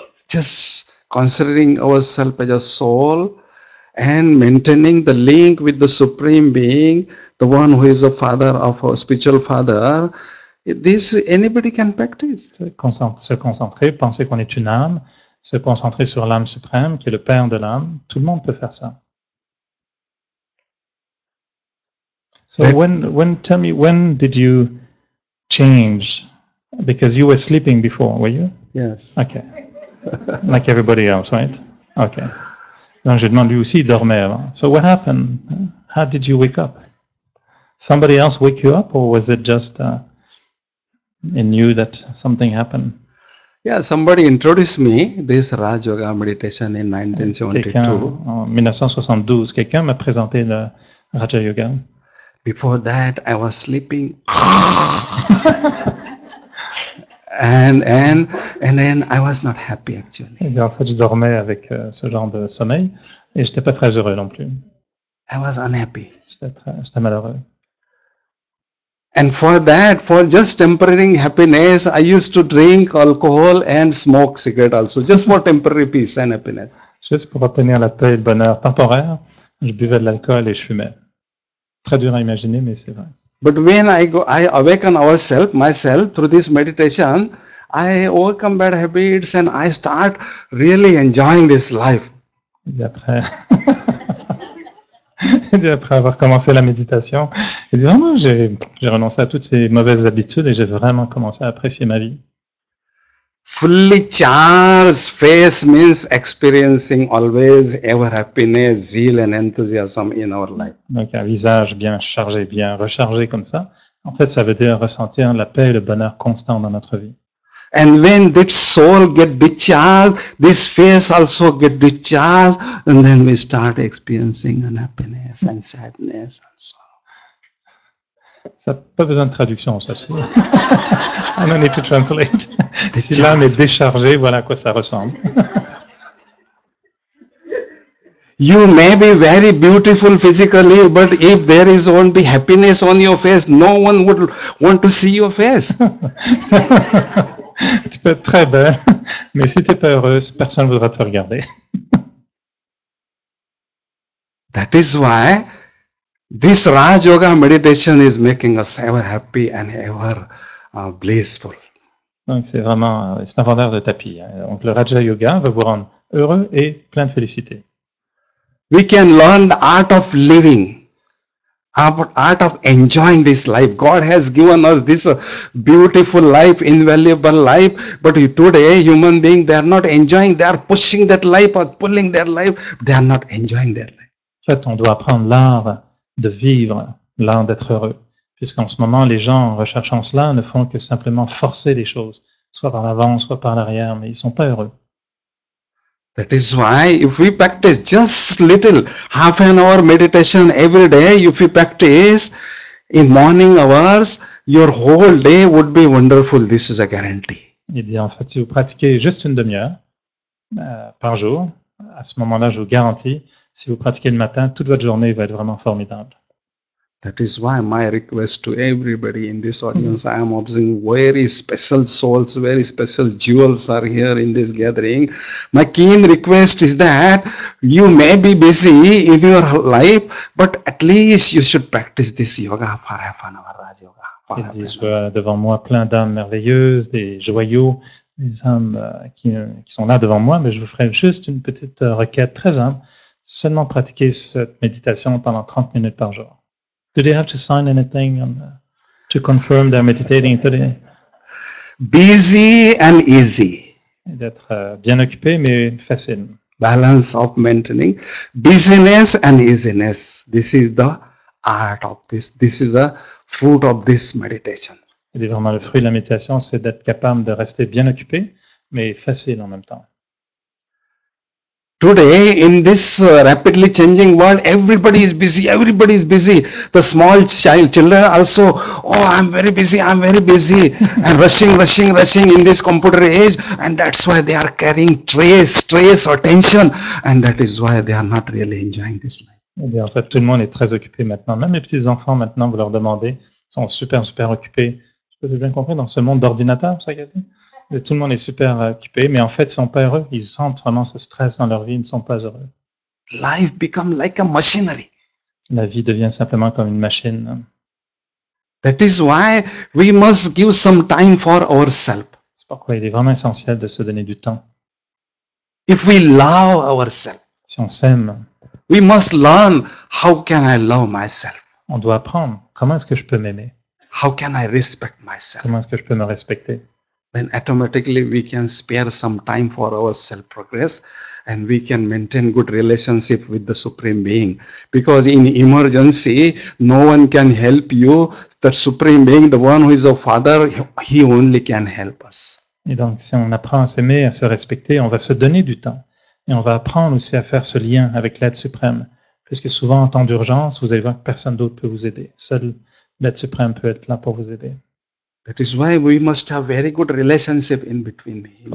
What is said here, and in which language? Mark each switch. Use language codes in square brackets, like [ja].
[en] Just considering ourselves as a soul and maintaining the link with the Supreme Being, the one who is the father of our spiritual father. This anybody can practice. [fr] Se concentrer, penser qu'on est une âme, se concentrer sur l'âme suprême, qui est le père de l'âme. Tout le monde peut faire ça. [en] So tell me when did you change? Because you were sleeping before, were you? Yes. Okay. Like everybody else, right? Okay. [fr] Donc je demande lui aussi il dormait avant. [en] So what happened? How did you wake up? Somebody else wake you up, or was it just? And knew that something happened. Yeah, somebody introduced me this Raja Yoga meditation in 1972. [fr] Quelqu'un, en 1972, quelqu'un m'a présenté le Raja Yoga. [en] Before that, I was sleeping. and then I was not happy actually. [fr] Et en fait, je dormais avec ce genre de sommeil et j'étais pas très heureux non plus. [en] I was unhappy. [fr] J'étais malheureux. [en] And for that, for just temporary happiness, I used to drink alcohol and smoke cigarette also, just for temporary peace and happiness. [fr] Juste pour obtenir la paix et le bonheur temporaire, je buvais de l'alcool et je fumais. Très dur à imaginer, mais c'est vrai. [en] But when I awaken myself through this meditation, I overcome bad habits and I start really enjoying this life. [fr] Après avoir commencé la méditation, il dit vraiment, j'ai renoncé à toutes ces mauvaises habitudes et j'ai vraiment commencé à apprécier ma vie. [en] Fully charged face means experiencing always ever happiness, zeal and enthusiasm in our life. [fr] Donc un visage bien chargé, bien rechargé comme ça, en fait, ça veut dire ressentir la paix et le bonheur constant dans notre vie. [en] And when that soul gets discharged, this face also gets discharged, and then we start experiencing unhappiness and sadness and sorrow. [fr] Ça, pas besoin de traduction, ça se voit. [en] I don't need to translate. [fr] Si l'âme est déchargée, voilà à quoi ça ressemble. [en] You may be very beautiful physically, but if there is only happiness on your face, no one would want to see your face. [fr] Tu peux être très belle, mais si tu n'es pas heureuse, personne ne voudra te regarder. [en] That is why this Raj Yoga meditation is making us ever happy and ever blissful. [fr] Donc c'est vraiment, c'est un vendeur de tapis. Hein. Donc le Raja Yoga va vous rendre heureux et plein de félicité. [en] We can learn the art of living, art of enjoying this life. God has given us this beautiful life, invaluable life, but today human beings, they are not enjoying, they are pushing that life or pulling their life, they are not enjoying their life. [fr] En fait, on doit apprendre l'art de vivre, l'art d'être heureux. Puisqu'en ce moment, les gens en recherchant cela ne font que simplement forcer les choses, soit par l'avant, soit par l'arrière, mais ils ne sont pas heureux. [en] That is why if we practice just little, half an hour meditation every day, if we practice in morning hours, your whole day would be wonderful, this is a guarantee. [fr] Il dit en fait, si vous pratiquez juste une demi-heure par jour, à ce moment-là, je vous garantis, si vous pratiquez le matin, toute votre journée va être vraiment formidable. [en] That is why my request to everybody in this audience, I am observing very special souls, very special jewels are here in this gathering. My keen request is that you may be busy in your life, but at least you should practice this yoga for half an hour, Raj Yoga. [fr] Il dit, je vois devant moi plein d'âmes merveilleuses, des joyaux, des âmes qui sont là devant moi, mais je vous ferai juste une petite requête très humble, seulement pratiquer cette méditation pendant 30 minutes par jour. [en] Do they have to sign anything to confirm they're meditating today? Busy and easy. [fr] D'être bien occupé, mais facile. [en] Balance of maintaining. Busyness and easiness. This is the art of this. This is the fruit of this meditation. [fr] Et vraiment, le fruit de la méditation, c'est d'être capable de rester bien occupé, mais facile en même temps. [en] Today, in this rapidly changing world, everybody is busy, everybody is busy. The small children also, I'm very busy, and rushing in this computer age, and that's why they are carrying stress or tension, and that is why they are not really enjoying this life. [fr] Bien, en fait, tout le monde est très occupé maintenant, même les petits-enfants maintenant, vous leur demandez, sont super occupés. Je vous ai bien compris, dans ce monde d'ordinateur, ça y a dit. Tout le monde est super occupé, mais en fait, ils ne sont pas heureux. Ils sentent vraiment ce stress dans leur vie, ils ne sont pas heureux. [en] Life become like a machinery. [fr] La vie devient simplement comme une machine. [en] That is why we must give some time for ourselves. [fr] C'est pourquoi il est vraiment essentiel de se donner du temps. [en] If we love ourselves, [fr] si on s'aime, [en] we must learn how can I love myself. [fr] On doit apprendre comment est-ce que je peux m'aimer. [en] How can I respect myself? [fr] Comment est-ce que je peux me respecter? [en] Then automatically we can spare some time for our self-progress and we can maintain good relationship with the Supreme Being. Because in emergency, no one can help you. The Supreme Being, the one who is a father, he only can help us. [fr] Et donc, si on apprend à s'aimer, à se respecter, on va se donner du temps. Et on va apprendre aussi à faire ce lien avec l'aide suprême. Puisque souvent, en temps d'urgence, vous allez voir que personne d'autre peut vous aider. Seule l'aide suprême peut être là pour vous aider. [en] That is why we must have very good relationship in between me.